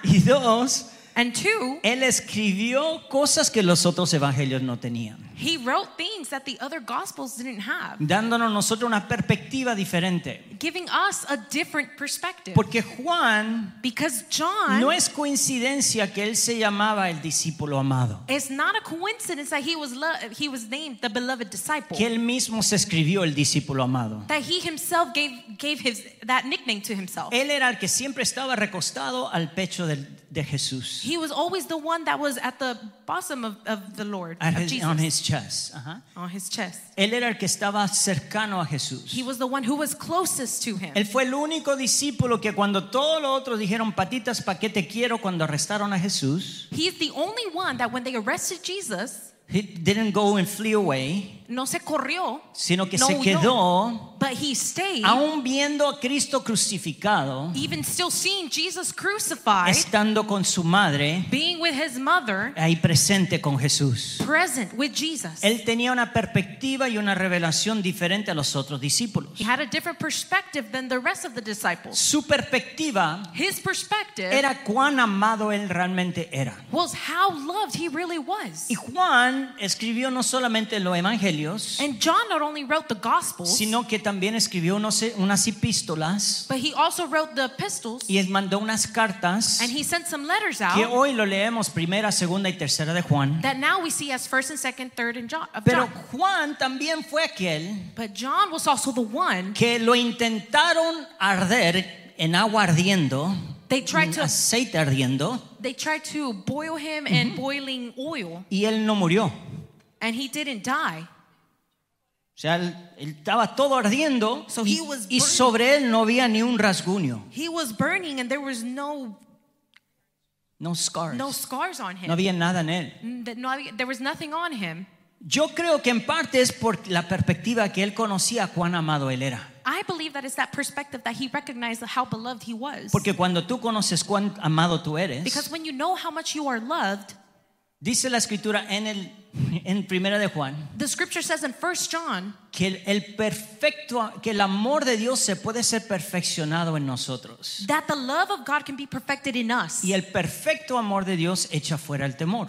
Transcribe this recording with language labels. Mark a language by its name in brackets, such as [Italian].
[Spanish] Y dos, [English] and two, [Spanish] él escribió cosas que los otros evangelios no tenían. [English] He wrote things that the other gospels didn't have. [Spanish] Dándonos nosotros una perspectiva diferente. [English] Giving us a different perspective. [Spanish] Porque Juan, [English] because John, [Spanish] no es coincidencia que él se llamaba el discípulo amado. [English] It's not a coincidence that he was named the beloved disciple. [Spanish] Que él mismo se escribió el discípulo amado. [English] That he himself gave his that nickname to himself. [Spanish] Él era el que siempre estaba recostado al pecho de Jesús. [English] He was always the one that was at the bosom of the Lord, of Jesus. On his chest. Uh-huh. On his chest. [Spanish] Él era el que estaba cercano a Jesús. [English] He was the one who was closest to him. [Spanish] Él fue el único discípulo que cuando todos los otros dijeron patitas pa' qué te quiero cuando arrestaron a Jesús. [English] He is the only one that when they arrested Jesus, he didn't go and flee away. [Spanish] No se corrió, sino que no se quedó, [English] but he stayed, [Spanish] aún viendo a Cristo crucificado, [English] even still seeing Jesus crucified, [Spanish] estando con su madre, [English] being with his mother, [Spanish] ahí presente con Jesús, [English] present with Jesus. [Spanish] Él tenía una perspectiva y una revelación diferente a los otros discípulos. [English] He had a different perspective than the rest of the disciples. [Spanish] Su perspectiva, [English] his perspective, [Spanish] era cuán amado él realmente era, [English] was how loved he really was. [Spanish] Y Juan escribió no solamente los evangelios. [English] And John not only wrote the gospels, [Spanish] sino que también escribió unas epístolas, [English] but he also wrote the epistles, [Spanish] y mandó unas cartas, [English] and he sent some letters out, [Spanish] que hoy lo leemos primera, segunda y tercera de Juan, [English] that now we see as first and second, third and John. [Spanish] Pero Juan también fue aquel, [English] but John was also the one, [Spanish] que lo intentaron arder en agua ardiendo, [English] they tried to, [Spanish] aceite ardiendo, [English] they tried to boil him in boiling oil, [Spanish] y él no murió. [English] And he didn't die. [Spanish] O sea, él estaba todo ardiendo, [English] so [Spanish] y, [English] he was [Spanish] y sobre él no había ni un rasguño. [English] He was burning and there was no scars. No scars on him. [Spanish] No había nada en él. [English] There was nothing on him. [Spanish] Yo creo que en parte es por la perspectiva que él conocía cuán amado él era. [English] I believe that it's that perspective that he recognized how beloved he was. [Spanish] Porque cuando tú conoces cuán amado tú eres, [English] because when you know how much you are loved, [Spanish] dice la escritura en primera de Juan, [English] the scripture says in 1 John, [Spanish] que el perfecto, que el amor de Dios se puede ser perfeccionado en nosotros, [English] that the love of God can be perfected in us, [Spanish] y el perfecto amor de Dios echa fuera el temor.